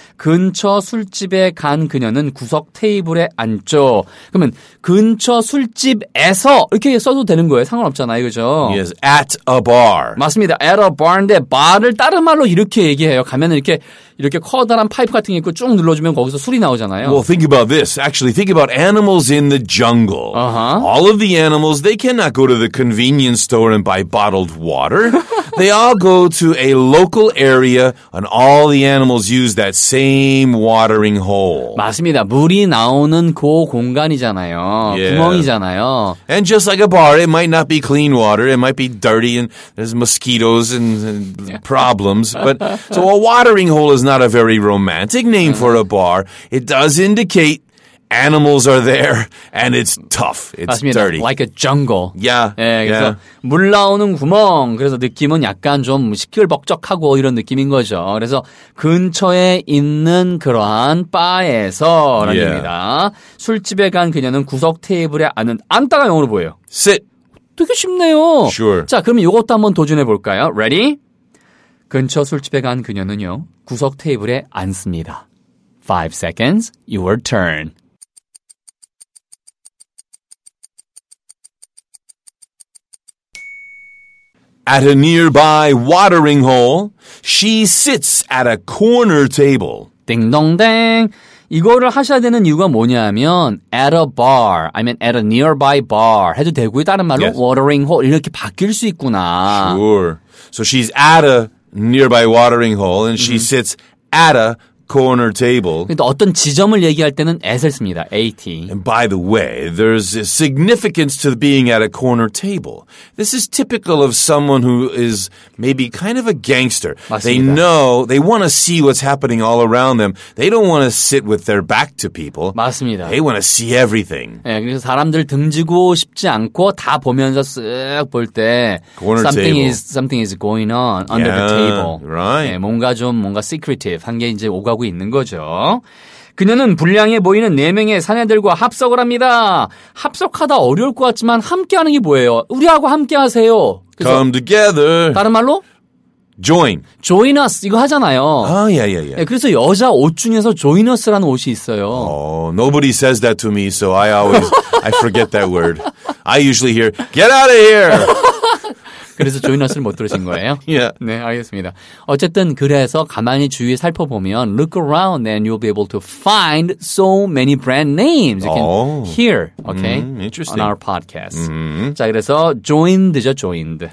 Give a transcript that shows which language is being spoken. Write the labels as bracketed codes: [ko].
[ko] 근처 술집에 간 그녀는 구석 테이블에 앉죠. 그러면 근처 술집에서 이렇게 써도 되는 거예요. 상관없잖아요, 그렇죠? [en] Yes, at a bar. [ko] 맞습니다. [en] At a bar [ko] 인데 bar을 다른 말로 이렇게 얘기해요. 가면 이렇게 이렇게 커다란 파이프 같은 게 있고 쭉 눌러주면 거기서 술이 나오잖아요. [en] Well, think about this. Actually, think about animals in the jungle. Uh-huh. All of the animals, they cannot go to the convenience store and buy bottled water. They all go to a local area and all the animals use that same watering hole. [ko] 맞습니다. 물이 나오는 그 공간이잖아요. [en] Yeah. [ko] 구멍이잖아요. [en] And just like a bar, it might not be clean water. It might be dirty and there's mosquitoes and problems. But so a watering hole is not a very romantic name for a bar. It does indicate animals are there and it's tough. It's [ko] 맞습니다. [en] dirty. Like a jungle. Yeah. [ko] 예, 그래서 [en] yeah. [ko] 물 나오는 구멍. 그래서 느낌은 약간 좀 시끌벅적하고 이런 느낌인 거죠. 그래서 근처에 있는 그러한 바에서라는 [en] yeah. [ko] 겁니다. 술집에 간 그녀는 구석 테이블에 앉다가 영어로 보여요. [en] Sit. [ko] 되게 쉽네요. [en] Sure. [ko] 자, 그럼 이것도 한번 도전해 볼까요? [en] Ready? [ko] 근처 술집에 간 그녀는요. 구석 테이블에 앉습니다. [en] 5 seconds. Your turn. 'At a nearby watering hole, she sits at a corner table.' [ko] 띵동댕. 이거를 하셔야 되는 이유가 뭐냐면 'at a bar' 아니면 [en] 'at a nearby bar' [ko] 해도 되고요. 다른 말로 [en] yes. [ko] 'watering hole' 이렇게 바뀔 수 있구나. [en] Sure. So she's at a nearby watering hole and she sits at a corner table. [ko] 그러니까 어떤 지점을 얘기할 때는 at을 씁니다. [en] At. And by the way, there's a significance to being at a corner table. This is typical of someone who is maybe kind of a gangster. [ko] 맞습니다. [en] They know, they want to see what's happening all around them. They don't want to sit with their back to people. [ko] 맞습니다. [en] They want to see everything. [ko] 네, 그래서 사람들 등지고 싶지 않고 다 보면서 쓱 볼 때 [en] corner something table. Something is going on under yeah, the table. Right. [ko] 네, 뭔가 좀 뭔가 secretive 한 게 이제 가고 있는 거죠. 그녀는 불량해 보이는 네 명의 사내들과 합석을 합니다. 합석하다 어려울 것 같지만 함께하는 게 뭐예요? 우리하고 함께하세요. [en] Come together. [ko] 다른 말로 [en] join. Join us [ko] 이거 하잖아요. [en] 아, yeah, yeah, yeah. [ko] 네, 그래서 여자 옷 중에서 [en] join us [ko] 라는 옷이 있어요. [en] Oh, nobody says that to me, so I always I forget that word. I usually hear get out of here. [ko] 그래서 조이너스를 못 들으신 거예요? [en] Yeah. [ko] 네, 알겠습니 어쨌든 그래서 가만히 주위 살펴보면 [en] look around and you'll be able to find so many brand names you can hear, okay? Interesting. On our podcast. [ko] 자, 그래서 [en] joined죠, joined.